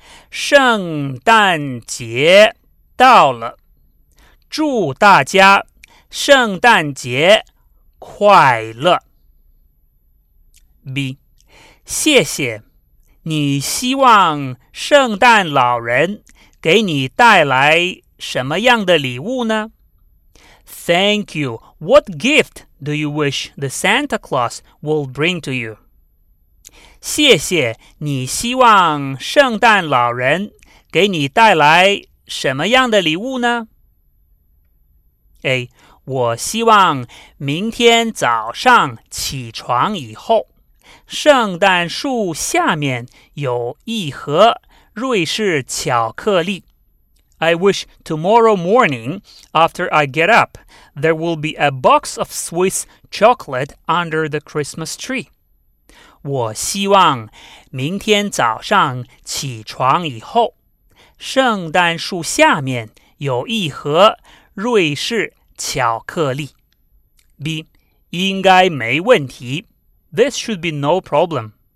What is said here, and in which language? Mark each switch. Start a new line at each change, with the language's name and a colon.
Chinese: 圣诞节到了，祝大家圣诞节快乐。 B. 谢谢，你希望圣诞老人给你带来什么样的礼物呢？
English: Thank you. What gift do you wish the Santa Claus will bring to you?
Chinese: 谢谢，你希望圣诞老人给你带来什么样的礼物呢？ A. 我希望明天早上起床以后，圣诞树下面有一盒瑞士巧克力。
English: I wish tomorrow morning, after I get up, there will be a box of Swiss chocolate under the Christmas tree.
Chinese: 我希望明天早上起床以后，圣诞树下面有一盒瑞士巧克力。
English: B.
Chinese: 应该没问题。
English: This should be no problem.